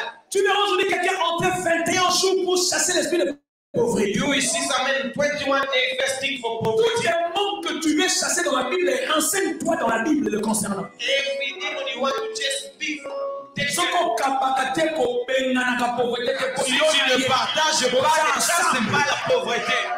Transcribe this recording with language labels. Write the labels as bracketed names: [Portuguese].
[French] Tu verras aujourd'hui quelqu'un entrer 21 jours pour chasser l'esprit de pauvreté. [English] You will see some 21 days fasting for poverty. [French] Tout le monde que tu veux chasser dans la Bible, enseigne-toi dans la Bible le concernant. Si le partage pas les gens, ce n'est pas la pauvreté.